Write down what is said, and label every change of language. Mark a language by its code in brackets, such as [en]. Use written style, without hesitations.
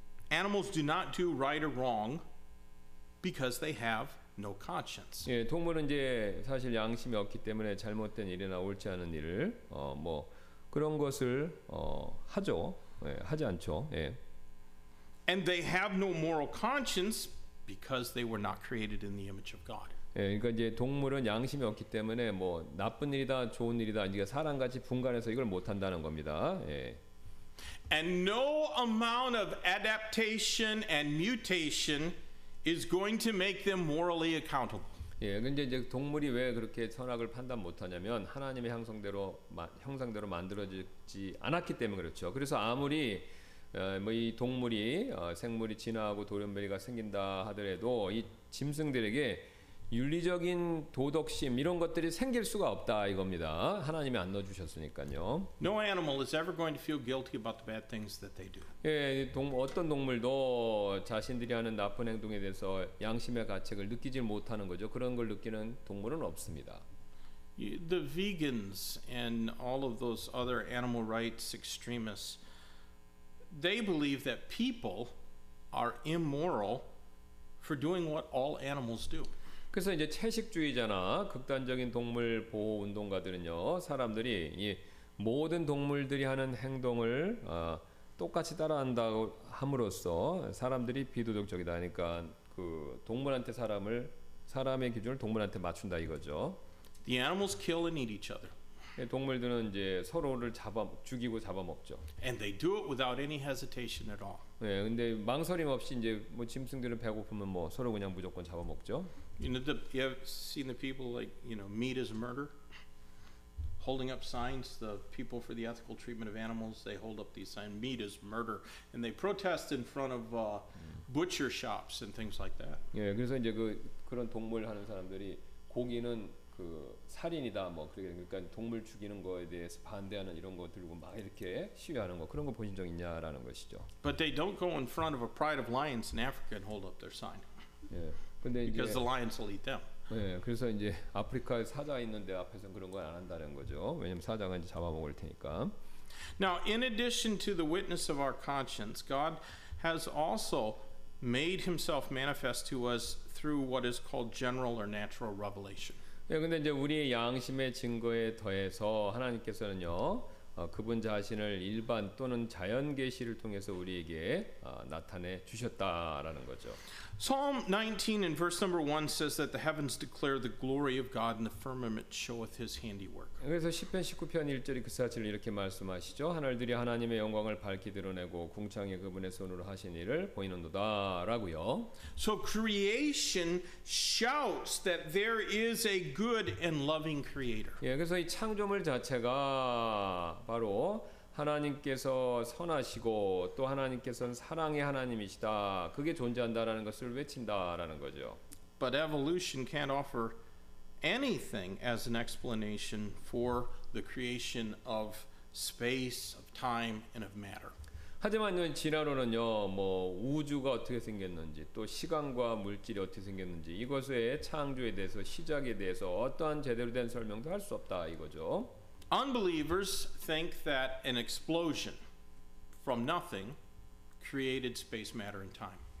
[en] Animals do not do right or wrong because they have no conscience. [ko] 예, 동물은 이제 사실 양심이 없기 때문에 잘못된 일이나 옳지 않은 일을 뭐 그런 것을 하죠. 예, 하지 않죠. 예. [en] And they have no moral conscience because they were not created in the image of God. [ko] 예, 그러니까 이제 동물은 양심이 없기 때문에 뭐 나쁜 일이다, 좋은 일이다, 이게 사람같이 분간해서 이걸 못 한다는 겁니다. 예. [en] And no amount of adaptation and mutation is going to make them morally accountable. [ko] 예, 근데 이제 동물이 왜 그렇게 선악을 판단 못하냐면 하나님의 형상대로 만들어지지 않았기 때문에 그렇죠. 그래서 아무리 뭐 이 동물이 생물이 진화하고 돌연변이가 생긴다 하더라도 이 짐승들에게 윤리적인 도덕심 이런 것들이 생길 수가 없다 이겁니다. 하나님이 안 넣어 주셨으니까요. [en] No animal is ever going to feel guilty about the bad things that they do. [ko] 예, 어떤 동물도 자신들이 하는 나쁜 행동에 대해서 양심의 가책을 느끼지 못하는 거죠. 그런 걸 느끼는 동물은 없습니다. [en] The vegans and all of those other animal rights extremists, they believe that people are immoral for doing what all animals do. [ko] 그래서 이제 채식주의자나 극단적인 동물 보호 운동가들은요, 사람들이 이 모든 동물들이 하는 행동을 똑같이 따라한다고 함으로써 사람들이 비도덕적이다 하니까 그 동물한테 사람의 기준을 동물한테 맞춘다 이거죠. [en] The animals kill and eat each other. [ko] 동물들은 이제 서로를 죽이고 잡아먹죠. [en] And they do it without any hesitation at all. [ko] 네, 근데 망설임 없이 이제 뭐 짐승들은 배고프면 뭐 서로 그냥 무조건 잡아먹죠. [en] You know, you have seen the people like, you know, meat is murder, holding up signs. The people for the ethical treatment of animals, they hold up these signs, meat is murder, and they protest in front of butcher shops and things like that. [ko] 예, 그래서 이제 그 그런 동물 하는 사람들이 고기는 그 살인이다 뭐 그렇게, 그러니까 동물 죽이는 거에 대해서 반대하는 이런 거 들고 막 이렇게 시위하는 거, 그런 거 보신 적 있냐라는 것이죠. But they don't go in front of a pride of lions in Africa and hold up their sign. 예. 근데 이제 [en] Because the lions will eat them. [ko] 예. 그래서 이제 아프리카에 사자 있는데 앞에서 그런 거 안 한다는 거죠. 왜냐면 사자가 이제 잡아먹을 테니까. [en] Now, in addition to the witness of our conscience, God has also made himself manifest to us through what is called general or natural revelation. [ko] 예, 근데 이제 우리의 양심의 증거에 더해서 하나님께서는요, 그분 자신을 일반 또는 자연 계시를 통해서 우리에게 나타내 주셨다라는 거죠. [en] Psalm 19 in verse number 1 says that the heavens declare the glory of God and the firmament showeth his handiwork. [ko] 그래서 시편 19편 1절이 그 사실을 이렇게 말씀하시죠. 하늘들이 하나님의 영광을 밝히 드러내고 궁창이 그분의 손으로 하신 일을 보이는도다라고요. [en] So creation shouts that there is a good and loving creator. [ko] 예, 그래서 이 창조물 자체가 바로 하나님께서 선하시고 또 하나님께서는 사랑의 하나님이시다. 그게 존재한다라는 것을 외친다라는 거죠. [en] But evolution can't offer anything as an explanation for the creation of space, of time, and of matter. [ko] 하지만 진화론은요, 뭐 우주가 어떻게 생겼는지 또 시간과 물질이 어떻게 생겼는지 이것의 창조에 대해서 시작에 대해서 어떠한 제대로 된 설명도 할 수 없다 이거죠. [en] Unbelievers think that an explosion from nothing created space, matter, and time.